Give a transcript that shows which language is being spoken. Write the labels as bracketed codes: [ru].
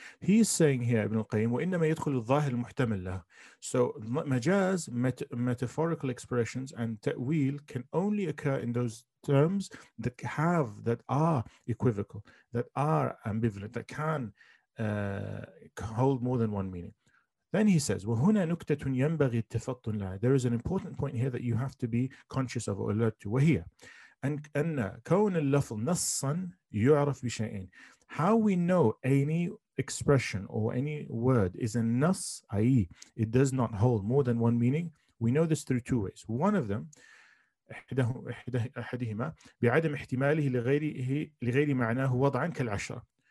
[en] He is saying here, Ibn al-Qayyim, [ar] وَإِنَّمَا يَدْخُلُ الظَّاهِرُ الْمُحْتَمِلْ لَهُ. [en] So majaz, metaphorical expressions, and ta'wil can only occur in those terms that have, that are equivocal, that are ambivalent, that can hold more than one meaning. Then he says, [ar] وَهُنَا نُكْتَةٌ يَنْبَغِي التَّفَطُّنْ لَهُ. [en] There is an important point here that you have to be conscious of or alert to. [ar] وَهِيَ أَنَّ كَوْنَ اللَّفْظُ نَصًّا يُعْرَفْ بِشَيْءٍ. [en] How we know any expression or any word is a nas, i.e. it does not hold more than one meaning, we know this through two ways. One of them, [ar] أحدهما بعدم احتماله لغير معناه وضعا كالعشرة.